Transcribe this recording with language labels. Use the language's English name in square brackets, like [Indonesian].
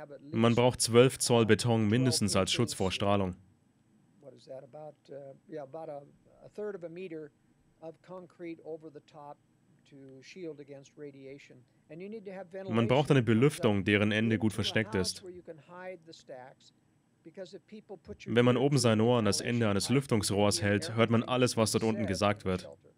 [German] Man braucht 12 Zoll Beton mindestens als Schutz vor Strahlung. [English] what is that, about, yeah, about a third of a meter of concrete over the top to shield against radiation. And you need to have ventilation. [German] Man braucht eine Belüftung, deren Ende gut versteckt ist. Wenn man oben sein Ohr an das Ende eines Lüftungsrohrs hält, hört man alles, was dort unten gesagt wird.